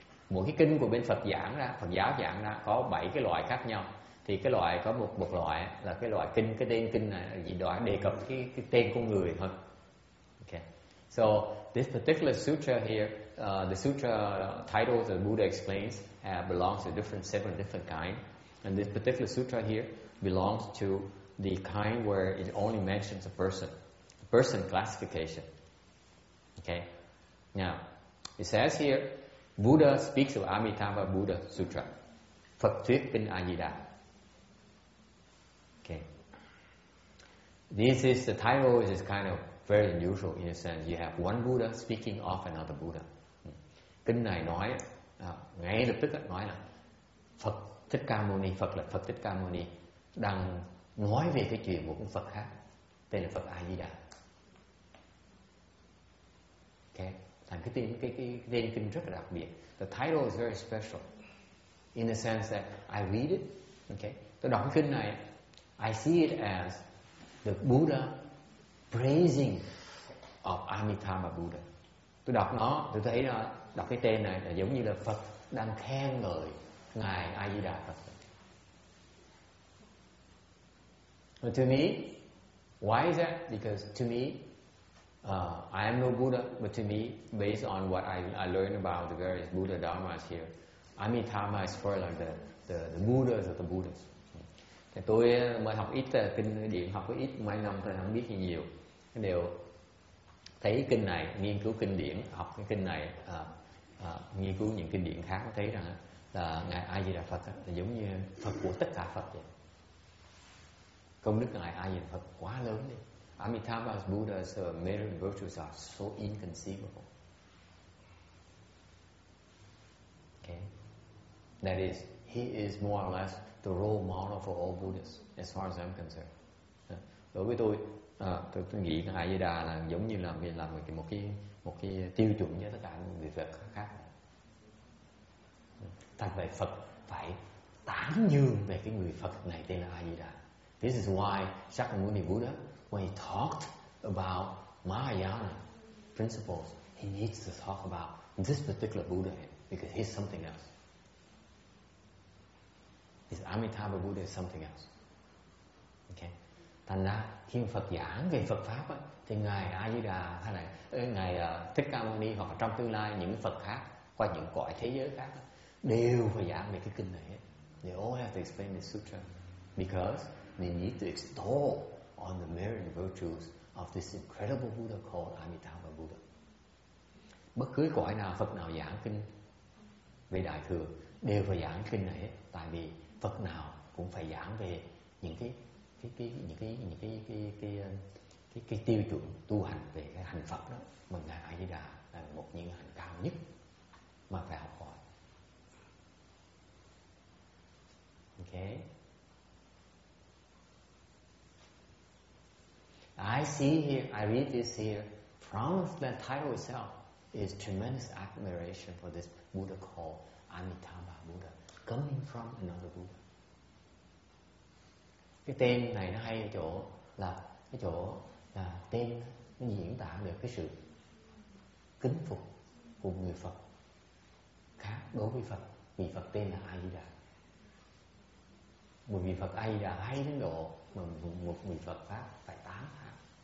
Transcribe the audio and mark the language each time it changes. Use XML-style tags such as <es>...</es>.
<vi>Mỗi cái kinh của bên Phật giảng ra, Phật giáo giảng ra có 7 cái loại khác nhau. Thì cái loại có một loại là cái loại kinh, cái tên kinh này chỉ đoạn đề cập cái tên của người thôi.</vi> <en>So this particular sutra here, the sutra title that Buddha explains belongs to seven different kind, and this particular sutra here belongs to the kind where it only mentions a person classification. Okay, Now, it says here, Buddha speaks of Amitabha Buddha Sutra.</en> <vi>Phật thuyết kinh A Di Đà.</vi> <en>Okay. This is the title. It is kind of very unusual in a sense. You have one Buddha speaking of another Buddha.</en> <vi>Kinh này nói ngay lập tức nói là Phật Thích Ca Mâu Ni, Phật là Phật Thích Ca Mâu Ni đang nói về cái chuyện của một Phật khác tên là Phật A Di Đà. Okay. Thành cái tên kinh rất là đặc biệt.</vi> <en>The title is very special in the sense that I read it. Okay.</en> <vi>Tôi đọc kinh này,</vi> <en>I see it as the Buddha praising of Amitabha Buddha.</en> <vi>Tôi đọc nó, tôi thấy nó đọc cái tên này là giống như là Phật đang khen ngợi ngài A Di Đà Phật.</vi> <en>But to me, why is that? Because to me, I am no Buddha. But to me, based on what I learned about the various Buddha dharmas here, Amitabha is for like the Buddhas of the Buddhas.</en> <vi>Tôi mới học ít kinh điển, học ít mấy năm thôi, không biết gì nhiều. Đều thấy kinh này, nghiên cứu kinh điển, học cái kinh này, nghiên cứu những kinh điển khác, thấy rằng là ngài A Di Đà Phật là giống như Phật của tất cả Phật vậy. Công đức ngài A Di Đà Phật quá lớn đi.</vi> <en>Amitabha's Buddha's merit and virtues are so inconceivable. Okay. That is, he is more or less the role model for all Buddhas, as far as I'm concerned.</en> <vi>Đối với tôi nghĩ A Di Đà là giống như là một cái tiêu chuẩn cho tất cả những người Phật khác. Thật vậy, Phật phải tán dương về cái người Phật này tên là A Di Đà.</vi> <en>This is why Shakyamuni Buddha, when he talked about Mahayana principles, he needs to talk about this particular Buddha because he's something else. This Amitabha Buddha is something else. Okay.</en> <vi>Thành ra khi Phật giảng về Phật pháp á, thì ngài A Di Đà hay là ngài Thích Ca Mâu Ni hoặc trong tương lai những Phật khác qua những cõi thế giới khác á, đều phải giảng về cái kinh này.</vi> <en>They all have to explain the sutra because they need to extol on the merit and virtues of this incredible Buddha called Amitabha Buddha.</en> <vi>Bất cứ cõi nào Phật nào giảng kinh về đại thừa đều phải giảng kinh này, tại vì Phật nào cũng phải giảng về những cái tiêu chuẩn tu hành về cái hành Phật đó mà ngài A Di Đà là một những hành cao nhất mà phải học hỏi.</vi> <en>Okay. I see here, I read this here, from the title itself, is tremendous admiration for this Buddha called Amitabha Buddha, coming from another Buddha.</en> <vi>Cái tên này nó hay ở chỗ là, cái chỗ là tên nó diễn tả được cái sự kính phục của người Phật khác đối với Phật, vì Phật tên là A Di Đà. Một vị Phật A Di Đà hay đến độ mà một vị Phật Pháp phải tán thán.</vi>